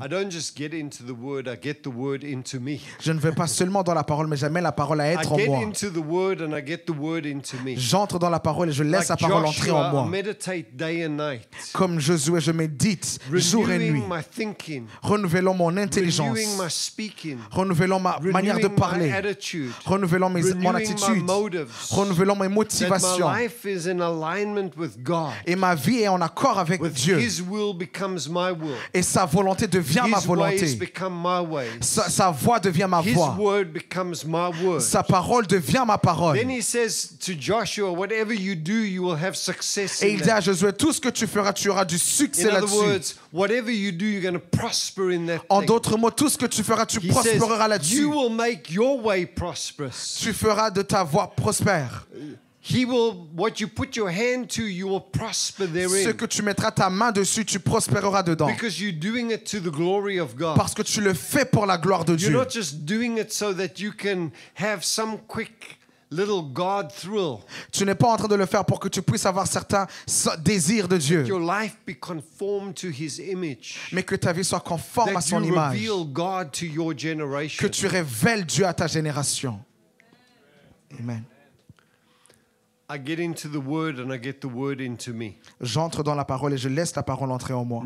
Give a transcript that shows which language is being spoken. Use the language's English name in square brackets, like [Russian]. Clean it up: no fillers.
[English] I don't just get into the word, I get the word into me. [French] Je ne vais pas seulement dans la parole, mais j'amène la parole à être [English] I [French] en moi. [English] I get into the word and I get the word into me. [French] J'entre dans la parole et je laisse [English] like [French] la parole [English] Joshua, [French] entrer en moi. [English] I meditate day and night. [French] Comme Josué, je médite [English] renewing [French] jour et nuit. [English] My thinking. [French] Renouvelant mon intelligence. [English] Renewing my speaking. [French] Renouvelant ma [English] renewing [French] manière de parler. [English] My attitude. [French] Renouvelant [English] renewing [French] mon attitude. [English] My motives. [French] Renouvelant selon mes motivations. [English] That my life is in alignment with God. [French] Et ma vie est en accord avec [English] with [French] Dieu. [English] His will becomes my will. [French] Et sa volonté devient [English] his [French] ma volonté. [English] Ways become my ways. [French] Sa voix devient ma [English] his [French] voix. [English] Word becomes my word. [French] Sa parole devient ma parole. [English] Then he says to Joshua, whatever you do, you will have success. [French] Et il dit à Josué, tout ce que tu feras, tu auras du succès là-dessus. [English] In other words, whatever you do, you're going to prosper in that. [French] En d'autres mots, tout ce que tu feras, tu prospéreras là-dessus. [English] You will make your way prosperous. [French] Tu feras de ta voie prospère. [English] He will, what you put your hand to, you will prosper therein. [French] Ce que tu mettras ta main dessus, tu prospéreras dedans. [English] Because you're doing it to the glory of God. [French] Parce que tu le fais pour la gloire de Dieu. [English] You're not just doing it so that you can have some quick little God thrill. [French] Tu n'es pas en train de le faire pour que tu puisses avoir certains désirs de Dieu. [English] Your life be conformed to his image. [French] Mais que ta vie soit conforme [English] that [French] à son [English] you [French] image. [English] Reveal God to your generation. [French] Que tu révèles Dieu à ta génération. Amen. [English] I get into the word and I get the word into me. [French] J'entre dans la parole et je laisse la parole entrer en moi.